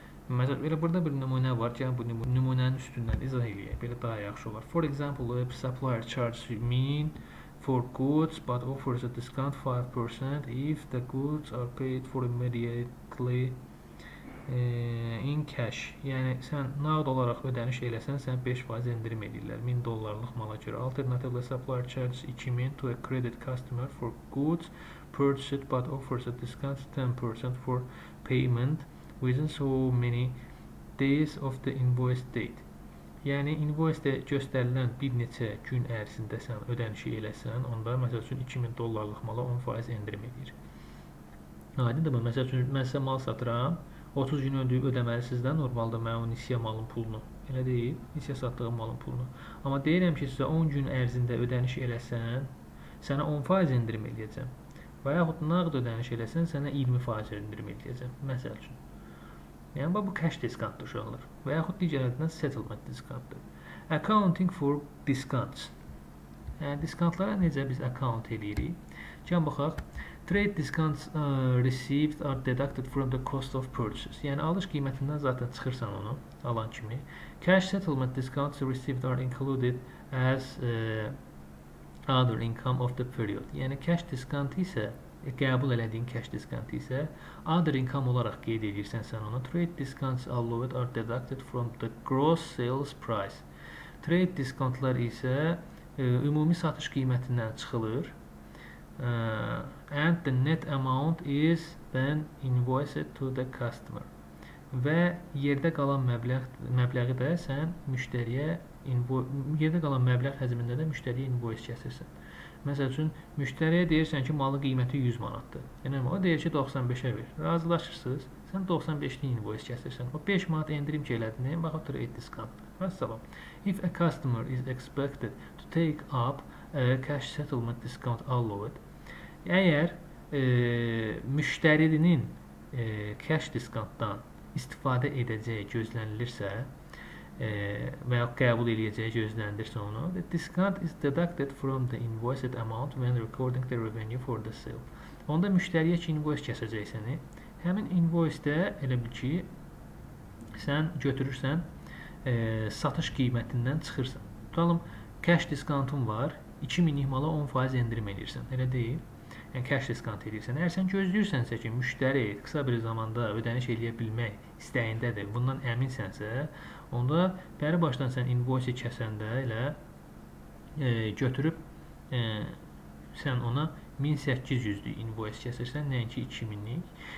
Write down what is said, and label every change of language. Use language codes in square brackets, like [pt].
[az] Məsələn, burada bir nümunə var ki, bu nümunənin üstündən izah eləyək. Belə daha yaxşı olar. [en] For example, a supplier charges me for goods but offers a discount 5% if the goods are paid for immediately in cash. [az] Yəni sən nağd olaraq ödəniş eləsən, sən 5% endirim edirlər 1000 dollarlıq mala görə. [en] Alternative supplier charges 2000 to a credit customer for goods purchased but offers a discount 10% for payment within so many days of the invoice date. [az] Yəni invoice-də göstərilən bir neçə gün ərzində sən ödənişi eləsən, onda məsəl üçün 2000 dollarlıq mala 10% endirim edir. Aydındır mı? Məsəl üçün mən sizə mal satıram, 30 gün öncə ödəməli sizdən normalda mən o nisiyə malın pulunu. Elə deyil, nisiyə satdığım malın pulunu. Amma deyirəm ki, sizə 10 gün ərzində ödəniş eləsən, sənə 10% endirim edəcəm. Və yaxud nağd ödəniş eləsən, sənə 20% endirim edəcəm. Məsəl üçün. Yəni, bu cash discount düşünülür. Və yaxud digər adından settlement discountdır. [en] Accounting for discounts. [az] Yəni, discountlara necə biz account edirik? Gəl baxaq. [en] Trade discounts received are deducted from the cost of purchase. [az] Yəni, alış qiymətindən zaten çıxırsan onu, alan kimi. [en] Cash settlement discounts received are included as other income of the period. [az] Yəni, cash discount isə qəbul elədiyin cash discount isə other income olaraq qeyd edirsən sən onu. [en] Trade discounts allowed are deducted from the gross sales price. [az] Trade discountlar isə ümumi satış qiymətindən çıxılır. [en] And the net amount is then invoiced to the customer. [az] Və yerdə qalan məbləği də sən müştəriyə yerdə qalan məbləğ həcmində də müştəriyə invoice kəsirsən. Məsəl üçün, müştəriyə deyirsən ki, malı qiyməti 100 manatdır. Yəni, o deyir ki, 95-ə ver. Razılaşırsınız, sən 95-li invoice kəsirsən. O 5 manat endirim gələdini, bax, o trade discount. [en] Məsələn, if a customer is expected to take up a cash settlement discount allowed, [az] əgər müştərinin cash discountdan istifadə edəcəyi gözlənilirsə, və ya qəbul edəcəyi gözləndirsə onu. [en] The discount is deducted from the invoiced amount when recording the revenue for the sale. [az] Onda müştəriyə ki, invoice kəsəcək səni. Həmin invoice-də elə bil ki, sən götürürsən, satış qiymətindən çıxırsan. Tutalım, cash discountum var, 2000 ihmala 10% endirim edirsən. Elə deyil. Yəni, cash discount edirsən. Əgər sən gözləyirsənsə ki, müştəri qısa bir zamanda ödəniş edə bilmək istəyindədir, bundan əminsənsə, onda bəri başdan sən invoice kəsəndə elə götürüb sən ona 1800-lük invoice kəsirsən, nəinki 2000-lik.